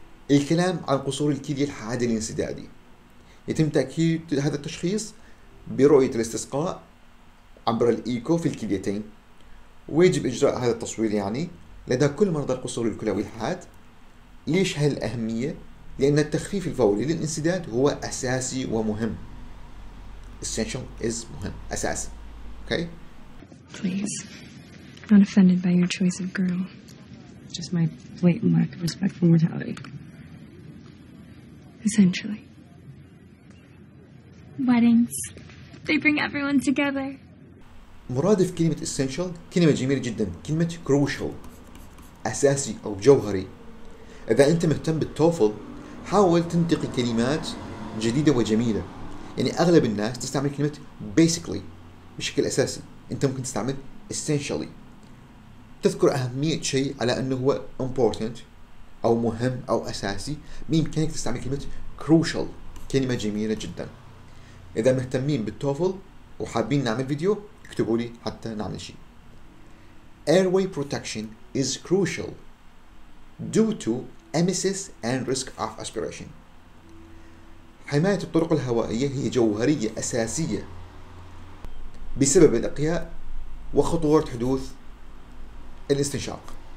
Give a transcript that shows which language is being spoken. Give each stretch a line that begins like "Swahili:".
Arabic: الكلام عن قصور الكلية الحاد الإنسدادي، يتم تأكيد هذا التشخيص برؤية الاستسقاء عبر الإيكو في الكليتين. ويجب إجراء هذا التصوير يعني لدى كل مرضى القصور الكلوي الحاد. ليش هالأهمية؟ لأن التخفيف الفوري للإنسداد هو أساسي ومهم.
English: Essential is
Arabic: مهم، أساسي.
English: Okay. Please, not offended by your choice of girl. Just my blatant lack of respect for mortality. Essentially. Weddings, they bring everyone together.
Arabic: مرادف كلمة essential كلمة جميلة جدا، كلمة crucial، أساسي أو جوهري. إذا أنت مهتم بالتوفل، حاول تنتقي كلمات جديدة وجميلة. يعني أغلب الناس تستعمل كلمة basically بشكل أساسي، أنت ممكن تستعمل essentially، تذكر أهمية شيء على أنه هو important أو مهم أو أساسي. بإمكانك تستعمل كلمة crucial، كلمة جميلة جدا. إذا مهتمين بالتوفل وحابين نعمل فيديو، اكتبوا لي حتى نعمل شيء.
English: Airway protection is crucial due to emesis and risk of aspiration.
Arabic: حماية الطرق الهوائية هي جوهرية أساسية بسبب الإقياء وخطورة حدوث الاستنشاق.